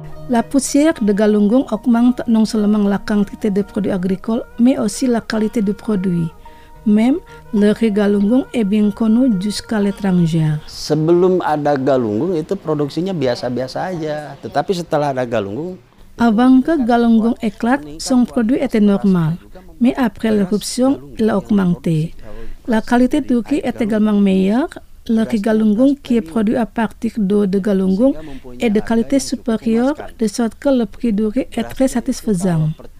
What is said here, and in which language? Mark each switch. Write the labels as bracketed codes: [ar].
[fr] La poussière de Galunggung augmente non seulement la quantité de produits agricoles, mais aussi la qualité du produit. Même le riz Galunggung est bien connu jusqu'à l'étranger. [id] Sebelum ada Galunggung, itu produksinya biasa-biasa aja. Tetapi setelah ada Galunggung, [fr] avant que Galunggung éclate, son produit était normal. Mais après l'éruption, il a augmenté. La qualité du riz est également meilleure. Le riz Galunggung, qui est produit à partir d'eau de Galunggung, est de qualité supérieure, de sorte que le prix du riz est très satisfaisant.